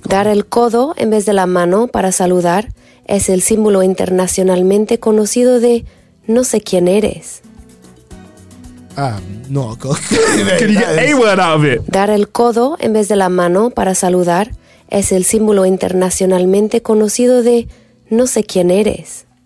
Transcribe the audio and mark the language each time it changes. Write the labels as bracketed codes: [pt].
[es] Dar el codo en vez de la mano para saludar es el símbolo internacionalmente conocido de no sé quién eres. [en] No, can you get a word out of it? [es] Dar el codo en vez de la mano para saludar es el símbolo internacionalmente conocido de no sé quién eres.